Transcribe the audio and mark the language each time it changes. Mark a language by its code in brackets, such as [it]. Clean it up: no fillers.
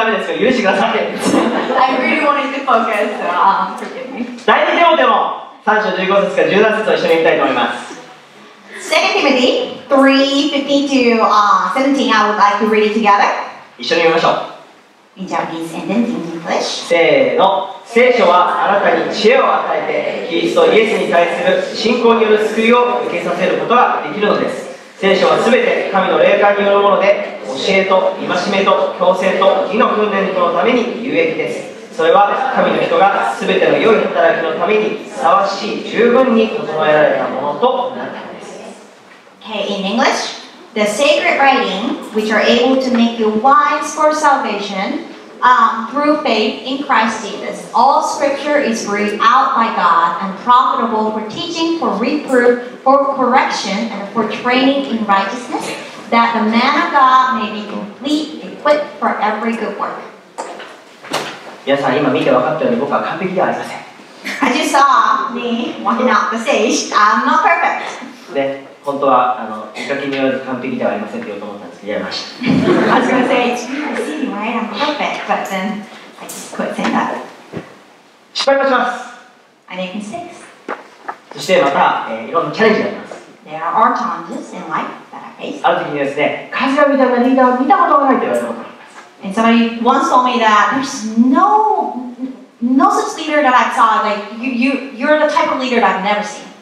[en] I really wanted to focus, so forgive me. [ja] 第2テモテも 3章15節から17節と一緒に見たいと思います。 [en] 2 Timothy 3:15-17, I would like to read it together. [ja] 一緒に読みましょう。 [en] In Japanese and then in English. [ja] せーの。聖書はあなたに知恵を与えて、キリストイエスに対する信仰による救いを受けさせることができるのです。聖書はすべて神の霊感によるもので、教えと戒めと強制と義の訓練とのために有益です。それは神の人がすべての良い働きのためにふさわしい、十分に整えられたものとなったのです。 [en] Okay, in English. The sacred writings, which are able to make you wise for salvation, through faith in Christ Jesus. All scripture is breathed out by God and profitable for teaching, for reproof, for correction, and for training in righteousness, that the man of God may be complete, equipped for every good work. [ja] 皆さん、今見て分かったように僕は完璧ではありません。 [en] As you saw me walking out the stage, I'm not perfect. [ja] 本当は見かけによらず完璧ではありませんと言おうと思ったんですけど、やりました。 [en] I was going to say, it's easy, right? I'm perfect, but then I just quit saying that. [ja] 失敗もします。 [en] I make mistakes. [ja] そしてまた、いろんなチャレンジがあります。 [en] There are challenges in life that I face. [ja] ある時にですね、会社みたいなリーダーを見たことがないと言われたことがあります。 [en] And somebody once told me that there's no such leader that I saw. Like, you're the type of leader that I've never seen.